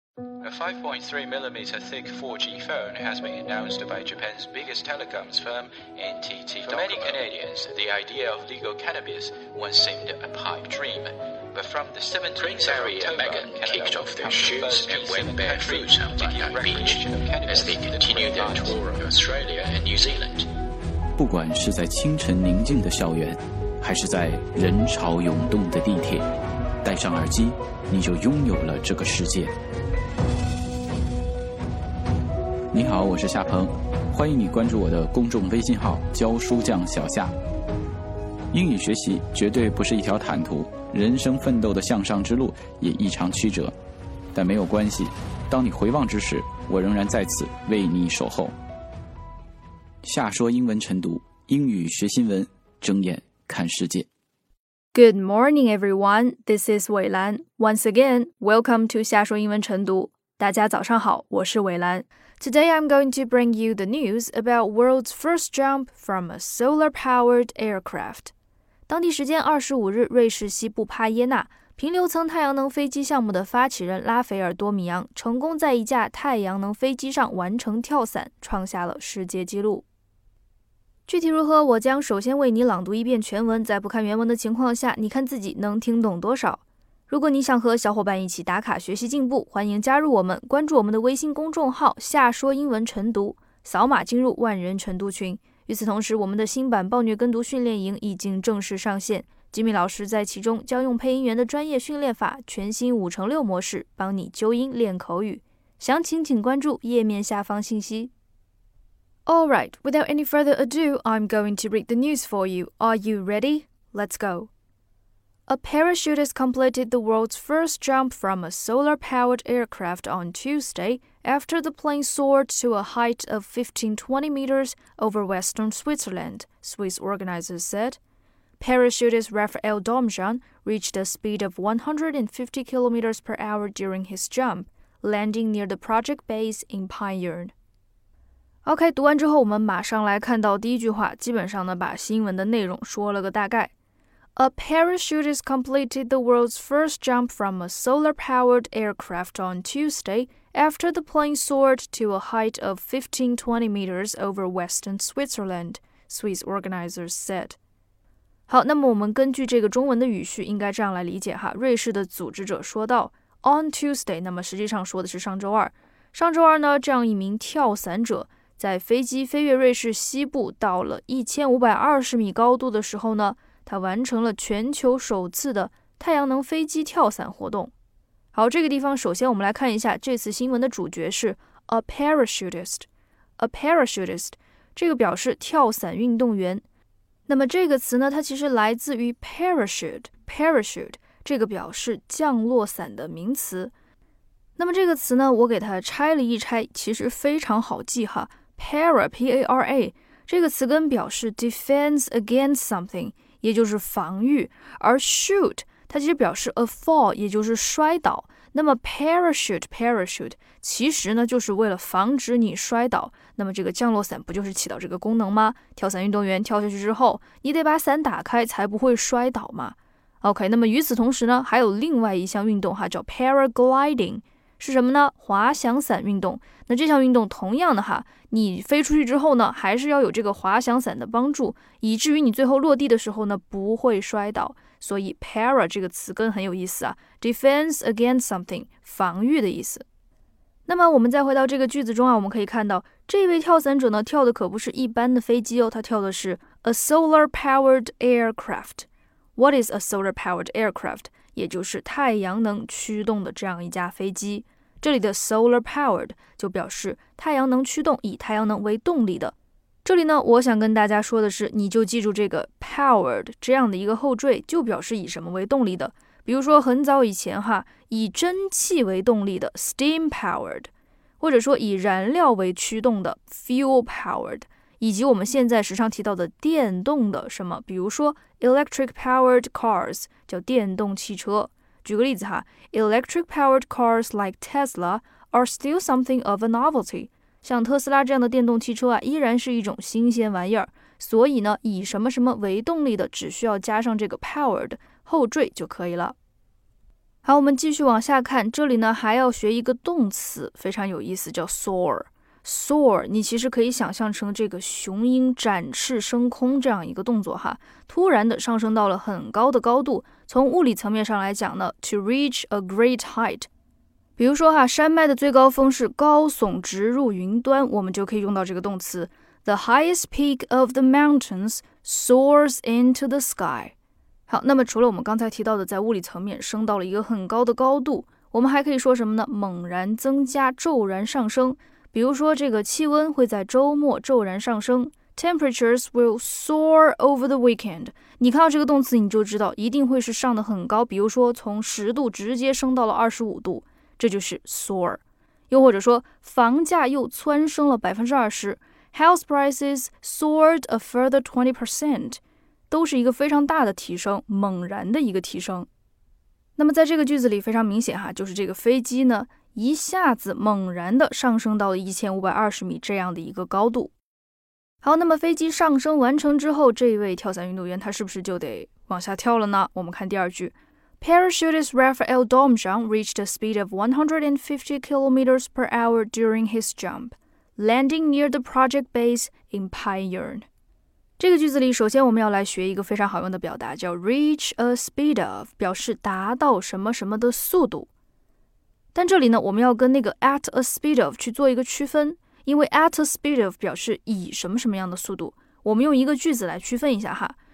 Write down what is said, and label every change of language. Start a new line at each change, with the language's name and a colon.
English: A 5.3mm thick 4G phone has been announced by Japan's biggest telecoms firm, NTT Docomo. For many Canadians, the idea of legal cannabis once seemed a pipe dream. But from the 17th of October, Canada kicked off their shoes and went barefoot on the beach as they continued their tour of Australia and New Zealand.
Chinese: 不管是在清晨宁静的校园，还是在人潮涌动的地铁，戴上耳机，你就拥有了这个世界。你好，我是夏鹏，欢迎你关注我的公众微信号“教书匠小夏”。英语学习绝对不是一条坦途，人生奋斗的向上之路也异常曲折，但没有关系，当你回望之时，我仍然在此为你守候。夏说英文晨读，英语学新闻，睁眼看世界。
English: Good morning, everyone. This is 伟兰。 Once again, welcome to 夏说英文晨读。
Chinese: 大家早上好，我是伟兰。
English: Today, I'm going to bring you the news about world's first jump from a solar-powered aircraft.
Chinese: 当地时间25日，瑞士西部帕耶纳，平流层太阳能飞机项目的发起人拉斐尔·多米扬成功在一架太阳能飞机上完成跳伞，创下了世界纪录。具体如何，我将首先为你朗读一遍全文，在不看原文的情况下，你看自己能听懂多少。如果你想和小伙伴一起打卡学习进步，欢迎加入我们，关注我们的微信公众号夏说英文晨读，扫码进入万人晨读群。与此同时，我们的新版暴虐跟读训练营已经正式上线，吉米老师在其中将用配音员的专业训练法，全新5x6模式帮你纠音练口语，详情请关注页面下方信息。
English: All right, without any further ado, I'm going to read the news for you. Are you ready? Let's go. A parachute has completed the world's first jump from a solar-powered aircraft on Tuesday after the plane soared to a height of 1520 meters over western Switzerland, Swiss organizers said. Parachutist Raphael Domjan reached a speed of 150 kilometers per hour during his jump, landing near the project base in Payerne.
Chinese: OK, 读完之后我们马上来看到第一句话，基本上呢把新闻的内容说了个大概。
English: A parachute has completed the world's first jump from a solar-powered aircraft on Tuesday after the plane soared to a height of 1520 meters over western Switzerland, Swiss organizers said.
Chinese: 好，那么我们根据这个中文的语序应该这样来理解哈，瑞士的组织者说到
English: on Tuesday,
Chinese: 那么实际上说的是上周二。上周二呢，这样一名跳伞者在飞机飞越瑞士西部到了1520米高度的时候呢，他完成了全球首次的太阳能飞机跳伞活动。好，这个地方首先我们来看一下这次新闻的主角是 a parachutist。 a parachutist 这个表示跳伞运动员。那么这个词呢，它其实来自于 parachute。parachute 这个表示降落伞的名词。那么这个词呢，我给它拆了一拆，其实非常好记哈。 para 这个词根表示
English: defense against something。
Chinese: 也就是防御，而 shoot 它其实表示 a fall， 也就是摔倒。那么 parachute 其实呢就是为了防止你摔倒。那么这个降落伞不就是起到这个功能吗？跳伞运动员跳下去之后，你得把伞打开才不会摔倒嘛。 OK， 那么与此同时呢，还有另外一项运动哈，叫 paragliding， 是什么呢？滑翔伞运动。那这项运动同样的哈，你飞出去之后呢，还是要有这个滑翔伞的帮助，以至于你最后落地的时候呢不会摔倒。所以 para 这个词根很有意思啊，
English: defense against something，
Chinese: 防御的意思。那么我们再回到这个句子中啊，我们可以看到这位跳伞者呢跳的可不是一般的飞机哦，他跳的是 a solar powered aircraft。
English: What is a solar powered aircraft？
Chinese: 也就是太阳能驱动的这样一架飞机。这里的 solar powered 就表示太阳能驱动，以太阳能为动力的。这里呢，我想跟大家说的是，你就记住这个 powered 这样的一个后缀，就表示以什么为动力的。比如说很早以前哈，以蒸汽为动力的 steam powered， 或者说以燃料为驱动的 fuel powered， 以及我们现在时常提到的电动的什么，比如说 electric powered cars， 叫电动汽车。举个例子哈，
English: electric powered cars like Tesla are still something of a novelty.
Chinese: 像特斯拉这样的电动汽车啊，依然是一种新鲜玩意儿。所以呢，以什么什么为动力的，只需要加上这个 powered 后缀就可以了。好，我们继续往下看，这里呢还要学一个动词，非常有意思，叫 soar。 Soar， 你其实可以想象成这个雄鹰展翅升空这样一个动作哈，突然的上升到了很高的高度。从物理层面上来讲呢 ，
English: to reach a great height。
Chinese: 比如说哈，山脉的最高峰是高耸直入云端，我们就可以用到这个动词 ，
English: the highest peak of the mountains soars into the sky。
Chinese: 好，那么除了我们刚才提到的在物理层面升到了一个很高的高度，我们还可以说什么呢？猛然增加，骤然上升。比如说这个气温会在周末骤然上升 ,
English: temperatures will soar over the weekend。
Chinese: 你看到这个动词你就知道一定会是上得很高，比如说从10度直接升到了25度，这就是 soar。又或者说房价又蹿升了 20%,
English: house prices soared a further 20%,
Chinese: 都是一个非常大的提升，猛然的一个提升。那么在这个句子里非常明显哈，就是这个飞机呢一下子猛然的上升到了1520米这样的一个高度。好，那么飞机上升完成之后，这位跳伞运动员他是不是就得往下跳了呢？我们看第二句
English: ，Parachutist Rafael Domjan reached a speed of 150 kilometers per hour during his jump, landing near the project base in Payern。
Chinese: 这个句子里，首先我们要来学一个非常好用的表达，叫
English: reach a speed of，
Chinese: 表示达到什么什么的速度。但这里呢，我们要跟那个
English: at a speed of
Chinese: 去做一个区分，因为 at a speed of 表示以什么什么样的速度。我们用一个句子来区分一下哈。